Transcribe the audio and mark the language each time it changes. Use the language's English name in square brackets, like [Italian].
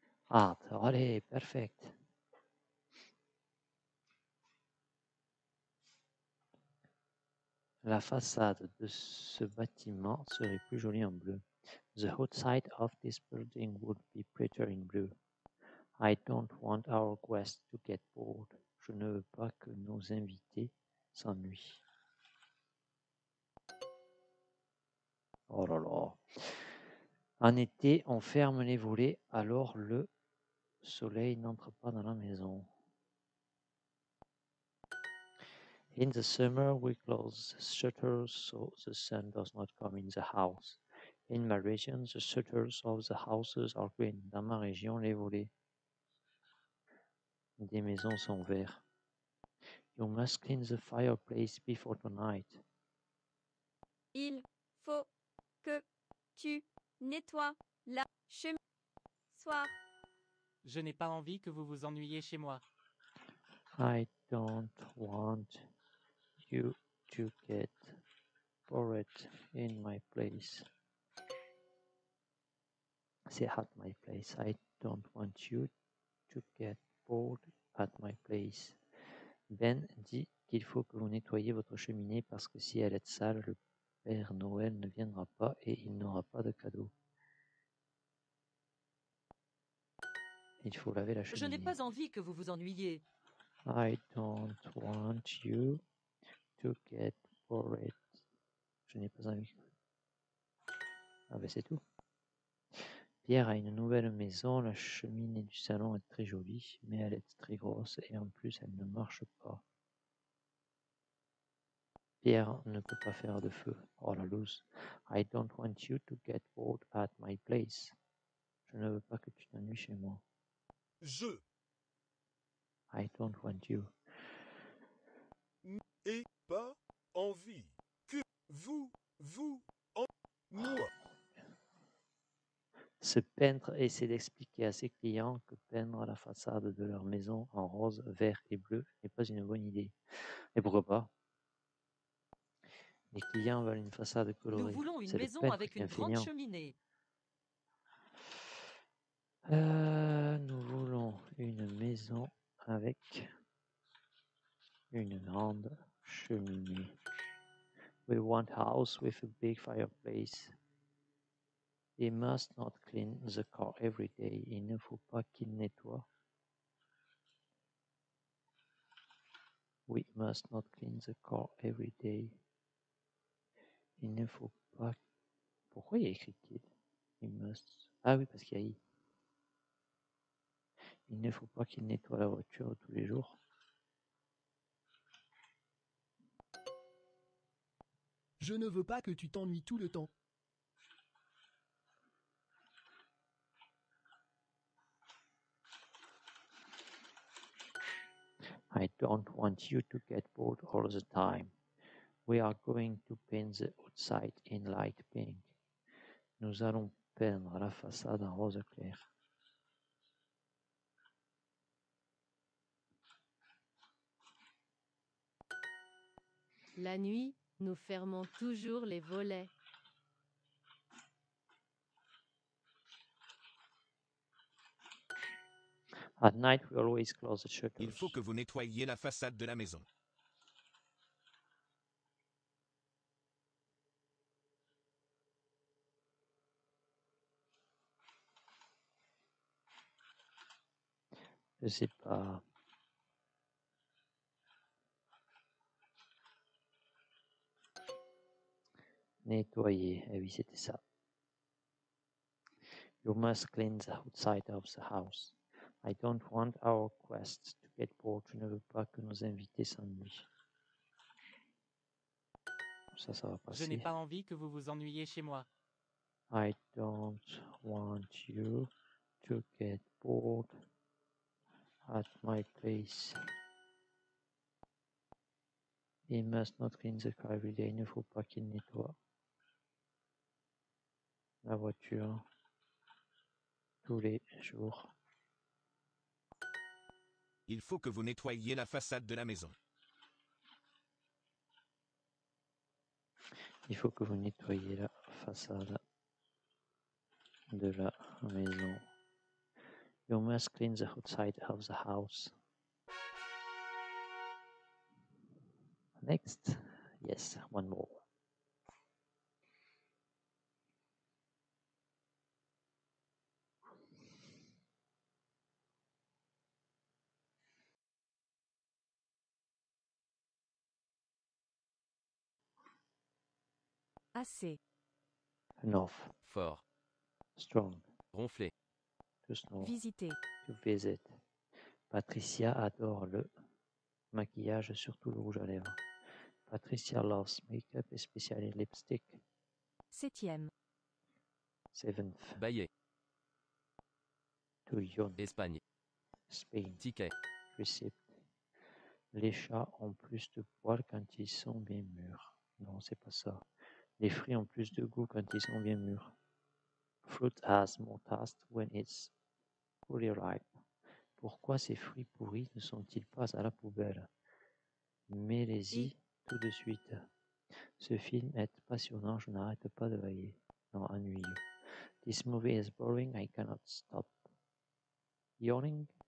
[French] Ah, allez, perfect. La façade de ce bâtiment serait plus jolie en bleu. [English] The outside of this building would be prettier in blue. I don't want our guests to get bored. [French] Je ne veux pas que nos invités s'ennuient. Oh là là. En été, on ferme les volets, alors le soleil n'entre pas dans la maison. [English] In the summer, we close shutters so the sun does not come in the house. In my region, the shutters of the houses are green. [French] Dans ma région, les volets des maisons sont verts. [English] You must clean the fireplace before tonight. [French] Il faut que tu nettoies la cheminée soir. Je n'ai pas envie que vous vous ennuyiez chez moi. [English] I don't want you to get pour it in my place. Say at my place. I don't want you to get bored at my place. [French] Ben dit qu'il faut que vous nettoyiez votre cheminée parce que si elle est sale, le Père Noël ne viendra pas et il n'aura pas de cadeau. Il faut laver la cheminée. Je n'ai pas envie que vous vous ennuyiez. [English] I don't want you to get bored. [French] Je n'ai pas envie. Ah ben c'est tout. Pierre a une nouvelle maison. La cheminée du salon est très jolie, mais elle est très grosse et en plus elle ne marche pas. Pierre ne peut pas faire de feu. Oh la loose. [English] I don't want you to get bored at my place. [French] Je ne veux pas que tu t'ennuies chez moi. Je. [English] I don't want you. [French] N'ai pas envie que vous en moi. Ce peintre essaie d'expliquer à ses clients que peindre la façade de leur maison en rose, vert et bleu n'est pas une bonne idée. Et pourquoi pas? Les clients veulent une façade colorée. Nous voulons une c'est maison avec une grande feignant. Cheminée. Nous voulons une maison avec une grande cheminée. [English] We want a house with a big fireplace. He must not clean the car every day. [French] Il ne faut pas qu'il nettoie. [English] We must not clean the car every day. [French] Il ne faut pas. Pourquoi il y a écrit il? Il must. Ah oui, parce qu'il y a I. Il ne faut pas qu'il nettoie la voiture tous les jours. Je ne veux pas que tu t'ennuies tout le temps. [English] I don't want you to get bored all the time. We are going to paint the outside in light pink. [French] Nous allons peindre la façade en rose clair. La nuit, nous fermons toujours les volets. [English] At night, we always close the shutters. [French] Il faut que vous nettoyiez la façade de la maison. Je sais pas. Nettoyer. Eh oui, c'était ça. [English] You must clean the outside of the house. I don't want our guests to get bored. [French] Je ne veux pas que nos invités s'ennuient. Ça va passer. Je n'ai pas envie que vous vous ennuyiez chez moi. [English] I don't want you to get bored at my place. He must not clean the car every day. [French] Il ne faut pas qu'il nettoie la voiture tous les jours. Il faut que vous nettoyiez la façade de la maison. Il faut que vous nettoyiez la façade de la maison. [English] You must clean the outside of the house. Next. Yes, one more. [French] Assez. [English] Enough. [French] Fort. [English] Strong. [French] Ronflé. [English] To snow. [French] Visiter. [English] To visit. [French] Patricia adore le maquillage, surtout le rouge à lèvres. [English] Patricia loves makeup, especially lipstick. [French] Septième. [English] Seventh. [French] Bayer. [English] To yawn. [French] Espagne. [English] Spain. [French] Ticket. [English] Receipt. [French] Les chats ont plus de poils quand ils sont bien mûrs. Non, c'est pas ça. Les fruits ont plus de goût quand ils sont bien mûrs. [English] Fruit has more taste when it's fully ripe. [French] Pourquoi ces fruits pourris ne sont-ils pas à la poubelle? Mets-les-y tout de suite. Ce film est passionnant, je n'arrête pas de veiller. Non, ennuyeux. [English] This movie is boring, I cannot stop. Yawning.